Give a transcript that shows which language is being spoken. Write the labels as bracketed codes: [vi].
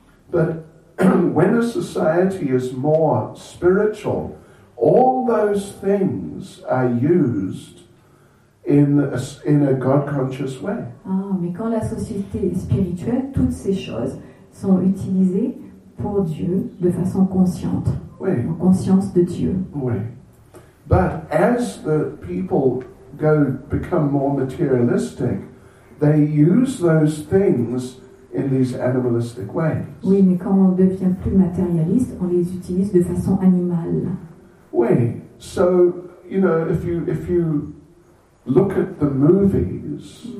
[en] But when a society is more spiritual, all those things are used in a God conscious way. [fr] Ah, mais quand la société est spirituelle, toutes ces choses sont utilisées pour Dieu de façon consciente. Oui. En conscience de Dieu. Oui. [en] But as the people become more materialistic, they use those things in these animalistic ways. [fr] Oui, mais quand on devient plus matérialiste, on les utilise de façon animale. Oui. [en] So, you know, if you look at the movies.